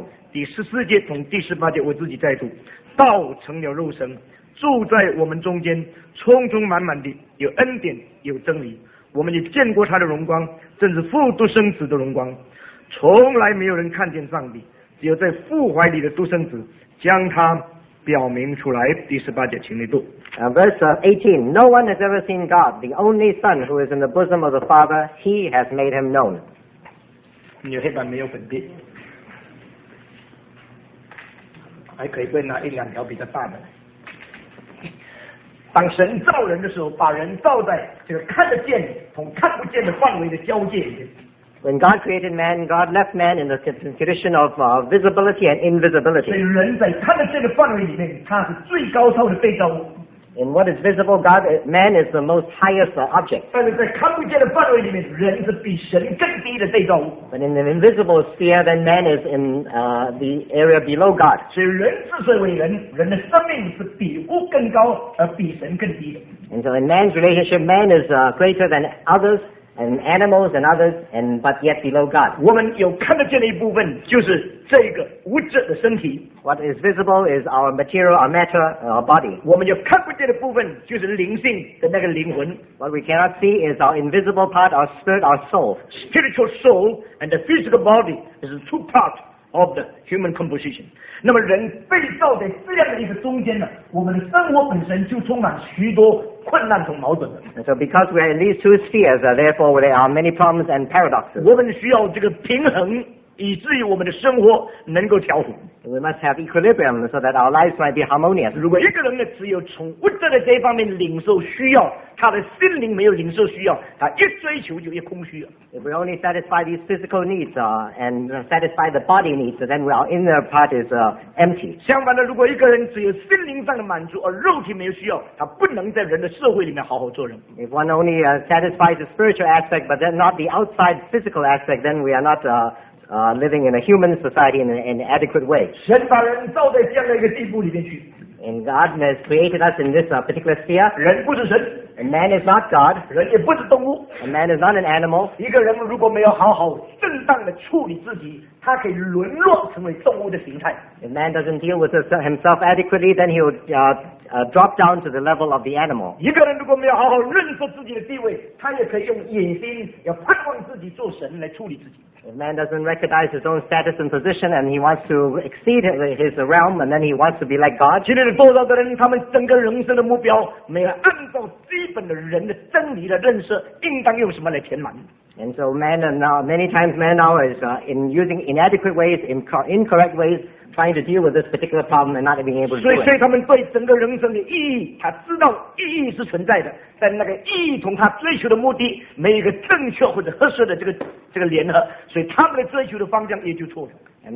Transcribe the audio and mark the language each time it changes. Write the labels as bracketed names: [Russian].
[Chinese] 第十四节从第十八节，我自己再读，道成了肉身，住在我们中间，充充满满的有恩典有真理。我们也见过他的荣光，正是父独生子的荣光。从来没有人看见上帝，只有在父怀里的独生子将他表明出来。第十八节请你读。 [English] Verse 18, No one has ever seen God, the only Son who is in the bosom of the Father, He has made Him known. [Chinese] 你有黑板没有粉笔，还可以不拿一两条比较大的。当神造人的时候，把人造在这个看得见同看不见的范围的交界里面。 [English] When God created man, God left man in the condition of visibility and invisibility. [Chinese] 所以人在他的这个范围里面，他是最高超的被造物。 [English] In what is visible, man is the most highest object. [Chinese] 但是在看不见的范围里面，人是比神更低的被造物。 [English] But in the invisible sphere, then man is in the area below God. [Chinese] 所以人之所以为人，人的生命是比物更高，而比神更低的。 [English] And so in man's relationship, man is greater than others. And animals and others, and but yet below God. [Chinese] 我们有看得见的一部分，就是这个物质的身体。 [English] What is visible is our material, our matter, our body. [Chinese] 我们有看不见的部分，就是灵性的那个灵魂。 [English] What we cannot see is our invisible part, our spirit, our soul. Spiritual soul and the physical body is the two part of the human composition. [Chinese] 那么人被造在这样的一个中间呢，我们的生活本身就充满许多。困难和矛盾的。 [English] And so because we are in these two spheres, therefore there are many problems and paradoxes. [Chinese] 我们需要这个平衡，以至于我们的生活能够调和。 [English] We must have equilibrium so that our lives might be harmonious. [Chinese] 如果一个人呢，只有从物质的这一方面领受需要，他的心灵没有领受需要，他一追求就一空虚。 [English] If we only satisfy these physical needs, and satisfy the body needs, then our inner part is empty. [Chinese] 相反的，如果一个人只有心灵上的满足，而肉体没有需要，他不能在人的社会里面好好做人。 [English] If one only satisfies the spiritual aspect, but then not the outside physical aspect, then we are not living in a human society in an adequate way. [Chinese] 神把人造在这样的一个地步里面去。 [English] And God has created us in this particular sphere. [Chinese] 人不是神。 [English] And man is not God. [Chinese] 人也不是动物。 [English] And man is not an animal. [Chinese] 一个人如果没有好好正当的处理自己，他可以沦落成为动物的形态。 [English] If man doesn't deal with himself adequately, then he will drop down to the level of the animal. [Chinese] 一个人如果没有好好认识自己的地位，他也可以用野心要盼望自己做神来处理自己。 [English] If man doesn't recognize his own status and position and he wants to exceed his realm and then he wants to be like God. [Chinese] 今天的多少的人他们整个人生的目标没有按照基本的人的真理的认识应当用什么来填满。 [English] And so men are now, many times men now is in using inadequate ways, incorrect ways, trying to deal with this particular problem and not being able to do it. [Chinese] 所以他们对整个人生的意义，他知道意义是存在的。但那个意义同他追求的目的没有一个正确或者合适的这个联合，所以他们的追求的方向也就错了。And